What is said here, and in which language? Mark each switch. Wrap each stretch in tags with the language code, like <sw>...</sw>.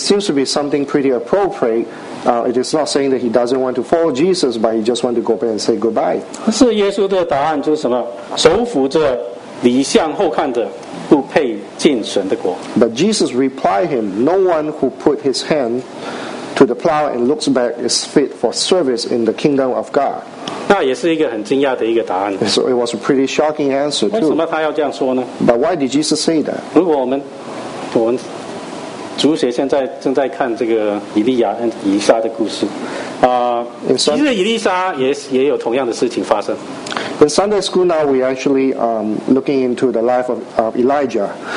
<en>seems to be something pretty appropriate. It is not saying that he doesn't want to follow Jesus, but he just wants to go back and say goodbye.</en> <zh>是耶稣的答案就是什么？手扶着犁向后看的，不配进神的国。</zh> <en>But Jesus replied him, "No one who put his hand to the plow and looks back is fit for service in the kingdom of God."</en> <zh>那也是一个很惊讶的一个答案。</zh> <en>So it was a pretty shocking answer too.</en> <zh>为什么他要这样说呢？</zh> <en>But why did Jesus say that?</en> <zh>如果我们 主学现在正在看这个以利亚、以撒的故事，其实以利沙也有同样的事情发生。</zh> <en>In Sunday school now, we actually looking into the life of Elijah.</en>